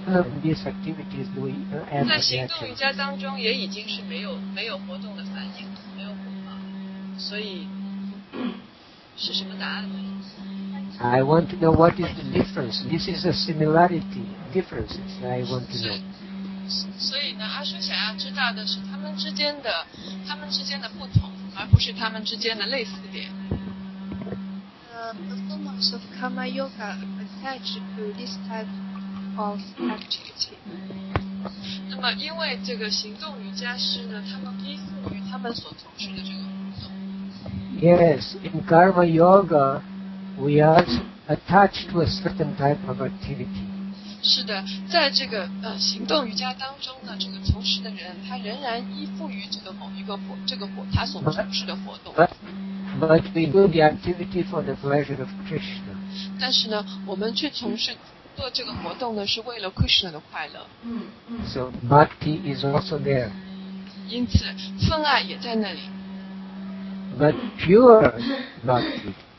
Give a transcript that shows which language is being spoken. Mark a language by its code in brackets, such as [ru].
[en] None of these activities do we have reaction. [zh] 在行动瑜伽当中也已经是没有活动的反应，没有火花。所以是什么答案呢？ [en] I want to know what is the difference. This is a similarity. Differences, I want to know. [zh] 所以呢，阿修想要知道的是他们之间的不同，而不是他们之间的类似点。 [en] The performance of karma yoga attached to this type of activity. [zh] 那么因为这个行动瑜伽师呢，他们依附于他们所从事的这个 [en] 活动。Yes, in karma yoga,We are attached to a certain type of activity. [zh] 是的，在这个行动瑜伽当中呢，这个从事的人他仍然依附于这个某一个活他所从事的活动。 [en] But we do the activity for the pleasure of Krishna. [zh] 但是呢，我们去从事做这个活动呢，是为了 Krishna 的快乐。 [en] So bhakti is also there. [zh] 因此，分爱也在那里。 [en] But pure bhakti.